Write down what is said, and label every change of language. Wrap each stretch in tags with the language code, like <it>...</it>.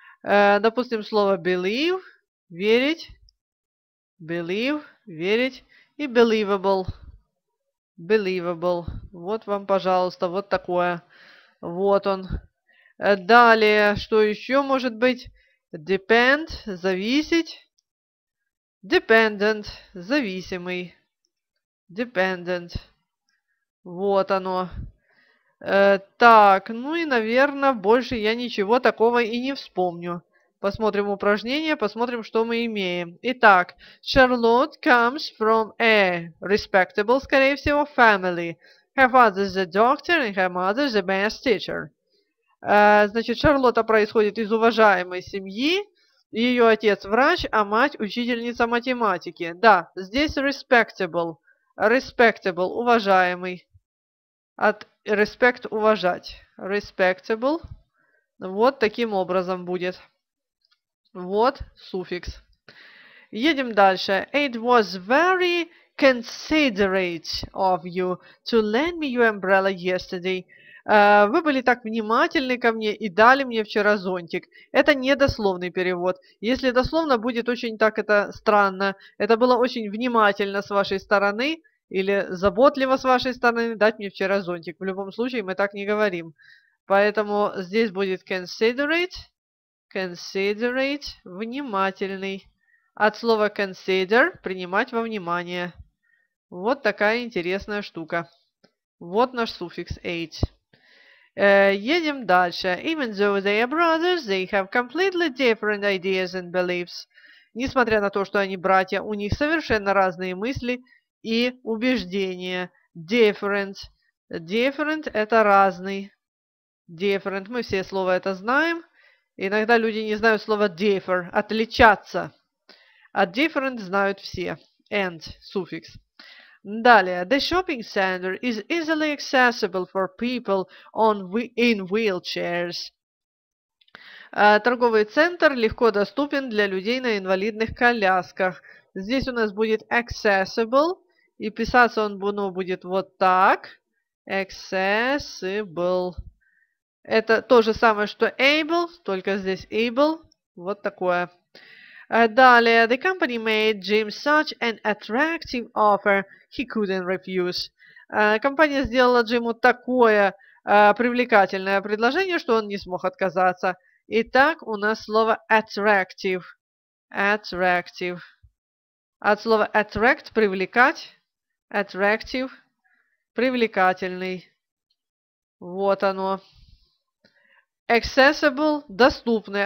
<ru>Допустим, слово believe, верить, believe, верить и believable, believable. Вот вам, пожалуйста, вот такое. Вот он. Далее, что еще может быть?</ru> <en>Depend, зависеть, dependent, зависимый, dependent.</en> <ru>Вот оно. Так, ну и, наверное, больше я ничего такого и не вспомню. Посмотрим упражнение, посмотрим, что мы имеем.</ru> <en>Итак, Charlotte comes from a respectable,</en> <ru>скорее всего,</ru> <en>family. Her father is a doctor and her mother is a math teacher.</en> <ru>Значит, Charlotte происходит из уважаемой семьи. Ее отец врач, а мать учительница математики. Да, здесь respectable. Respectable, уважаемый. От respect уважать.</ru> <en>Respectable.</en> <ru>Вот таким образом будет. Вот суффикс. Едем дальше.</ru> <en>It was very considerate of you to lend me your umbrella yesterday.</en> <ru>Вы были так внимательны ко мне и дали мне вчера зонтик. Это недословный перевод. Если дословно, будет очень так это странно. Это было очень внимательно с вашей стороны. Или заботливо с вашей стороны дать мне вчера зонтик. В любом случае мы так не говорим. Поэтому здесь будет considerate. Considerate. Внимательный. От слова consider. Принимать во внимание. Вот такая интересная штука. Вот наш суффикс ate. Едем дальше.</ru> <en>Even though they are brothers, they have completely different ideas and beliefs.</en> <ru>Несмотря на то, что они братья, у них совершенно разные мысли и убеждения. Different. Different – это разный. Different. Мы все слово это знаем. Иногда люди не знают слово differ – отличаться. А different знают все. And – суффикс. Далее.</ru> <en>The shopping center is easily accessible for people on in wheelchairs.</en> <ru>Торговый центр легко доступен для людей на инвалидных колясках. Здесь у нас будет accessible. И писаться он будет вот так.</ru> <en>Accessible.</en> <ru>Это то же самое, что able, только здесь able. Вот такое. Далее.</ru> <en>The company made Jim such an attractive offer he couldn't refuse.</en> <ru>Компания сделала Джиму такое привлекательное предложение, что он не смог отказаться. Итак, у нас слово attractive.</ru> <en>Attractive.</en> <ru>От слова attract – привлекать. Attractive. Привлекательный. Вот оно. Accessible. Доступный.</ru>